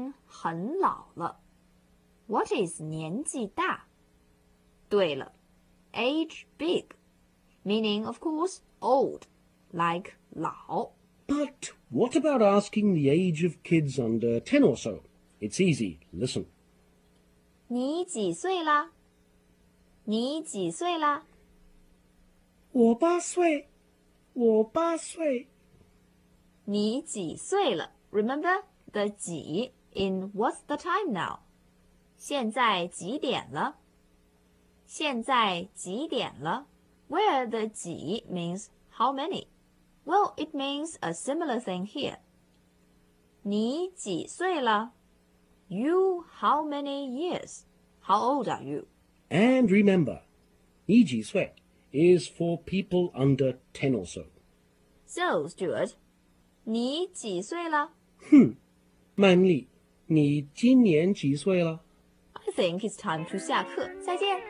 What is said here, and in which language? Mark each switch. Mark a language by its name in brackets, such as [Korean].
[Chinese] 她已经很老了。对,我年纪很大,我已经很老了。 [English] What is 年纪大? 对了,age big, meaning of course old, like 老. But what about asking the age of kids under 10 or so? It's easy, listen. [Chinese] 你几岁了?你几岁了?我八岁。我八岁。你几岁了? [English] Remember, the 几 in what's the time now? [Chinese] 现在几点了?现在几点了? [English] Where the 几 means how many? Well, it means a similar thing here. [Chinese] 你几岁了? [English] You how many years? How old are you? And remember, 你几岁 is for people under 10 or so. So, Stuart, [Chinese] 你几岁了? [English] Manly, [Chinese] 你今年几岁了? [English] I think it's time to [Chinese] 下课, 再见!